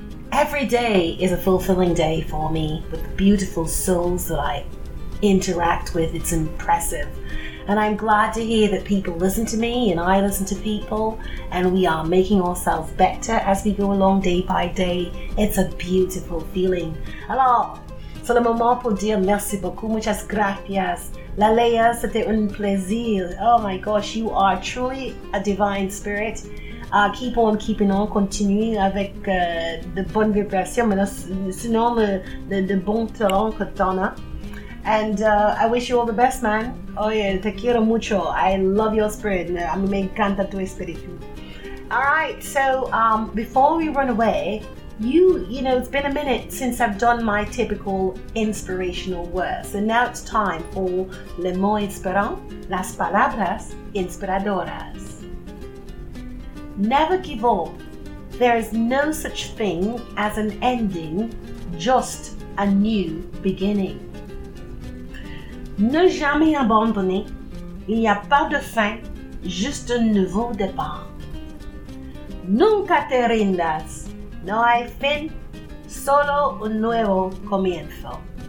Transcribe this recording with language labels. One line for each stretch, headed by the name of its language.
English: Every day is a fulfilling day for me with the beautiful souls that I interact with. It's impressive, and I'm glad to hear that people listen to me and I listen to people, and we are making ourselves better as we go along day by day. It's a beautiful feeling.
French: Alors, sur le moment pour dire merci beaucoup,
Spanish: muchas gracias.
French: La Lea, c'était un plaisir.
English: Oh my gosh, you are truly a divine spirit. Keep on keeping on,
French: continue avec de bonnes vibrations, sinon le bon talent que t'en as.
English: And I wish you all the best, man.
Spanish: Oye, te quiero mucho.
English: I love your spirit.
Spanish: A mí me encanta tu espíritu.
English: All right, so before we run away, you know, it's been a minute since I've done my typical inspirational words. And now it's time for
French: Le Mot Inspirant,
Spanish: Las Palabras Inspiradoras.
English: Never give up. There is no such thing as an ending, just a new beginning.
French: Ne jamais abandonner, il n'y a pas de fin, juste un nouveau départ.
Spanish: Nunca te rindas, no hay fin, solo un nuevo comienzo.